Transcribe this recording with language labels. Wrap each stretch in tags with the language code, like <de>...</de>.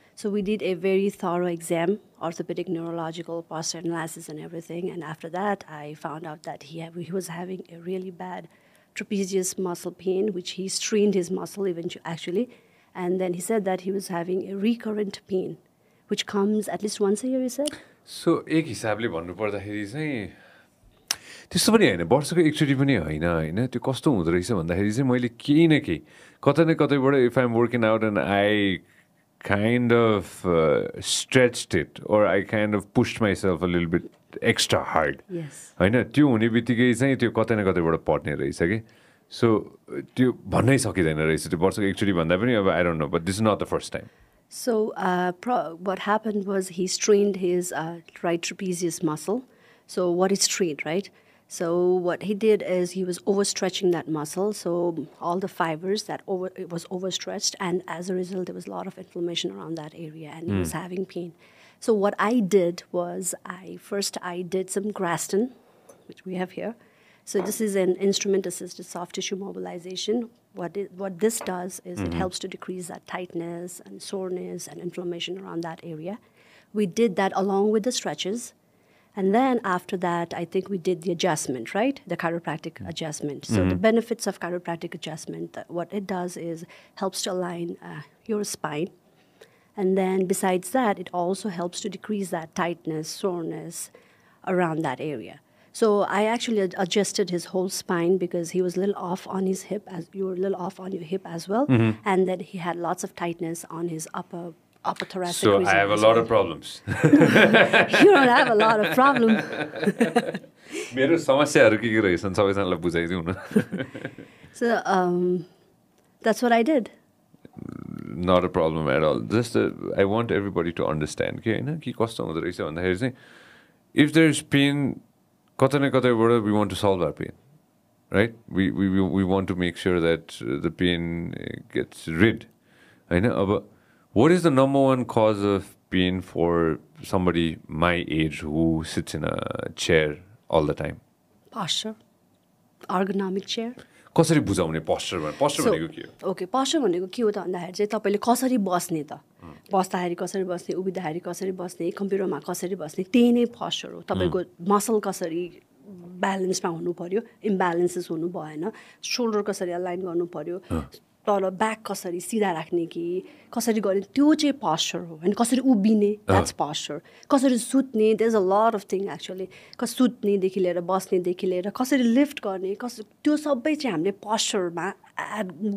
<en>So we did a very thorough exam, orthopedic, neurological, posture analysis and everything. And after that, I found out that he was having a really bad trapezius muscle pain, which he strained his muscle actually. And then he said that he was having a recurrent pain, which comes at least once a year, he said.</en> <ne>So, ek hisabli bhannu parda khari chai त्यस्तो पनि होइन वर्षको एकचोटि पनि होइन होइन त्यो कस्तो हुँदो रहेछ भन्दाखेरि चाहिँ मैले केही न केही कतै न कतैबाट</ne> <en>if I am working out and I kind of stretched it or I kind of pushed myself a little bit extra hard</en> <ne>होइन त्यो हुने बित्तिकै चाहिँ त्यो कतै न कतैबाट पर्ने रहेछ कि सो त्यो भन्नै सकिँदैन रहेछ त्यो वर्षको एकचोटि भन्दा पनि अब</ne> <en>I don't know but this is not the first time so what happened was he strained his right trapezius muscle so what is strained right So what he did is he was overstretching that muscle. So all the fibers it was overstretched. And as a result, there was a lot of inflammation around that area and he was having pain. So what I did was I did some Graston, which we have here. So this is an instrument-assisted soft tissue mobilization. What this does is it helps to decrease that tightness and soreness and inflammation around that area. We did that along with the stretches. And then after that, I think we did the adjustment, right? The chiropractic adjustment. So the benefits of chiropractic adjustment, what it does is helps to align your spine. And then besides that, it also helps to decrease that tightness, soreness around that area. So I actually adjusted his whole spine because he was a little off on his hip, you were a little off on your hip as well. Mm-hmm. And then he had lots of tightness on his upper thoracic. So I have a lot of problems. You don't have a lot of problems.</en> <ne>मेरो समस्याहरु के के रहेछन् सबैजनालाई बुझाइदिउ न.</ne> <en>So that's what I did. Not a problem at all. Just I want everybody to understand</en> <ne>के हैन कि कस्तो हुँदो रहेछ भन्दाखेरि चाहिँ</ne> <en>if there's pain</en> <ne>कतै न कतैबाट</ne> <en>we want to solve that pain. Right? We want to make sure that the pain gets rid.</en> <ne>हैन अब</ne> <en>What is the number one cause of pain for somebody my age who sits in a chair all the time? Posture ergonomic chair</en> <ne>कसरी बुझाउने posture भने posture भनेको के हो okay posture भनेको के हो त भन्दाखेरि चाहिँ तपाईँले कसरी बस्ने त बस्दाखेरि कसरी बस्ने उभिँदाखेरि कसरी बस्ने कम्प्युटरमा कसरी बस्ने त्यही नै पोस्चर हो तपाईँको मसल कसरी ब्यालेन्समा हुनु पऱ्यो इम्ब्यालेन्सेस हुनु भएन सोल्डर कसरी अलाइन गर्नु पऱ्यो तल ब्याक कसरी सिधा राख्ने कि कसरी गर्ने त्यो चाहिँ पोस्चर हो होइन कसरी उभिने</ne> <en>that's posture</en> <ne>कसरी सुत्ने</ne> <en>there's a lot of thing actually</en> <ne>कसरी सुत्नेदेखि लिएर बस्नेदेखि लिएर कसरी लिफ्ट गर्ने कस त्यो सबै चाहिँ हामीले पोस्चरमा एड</ne>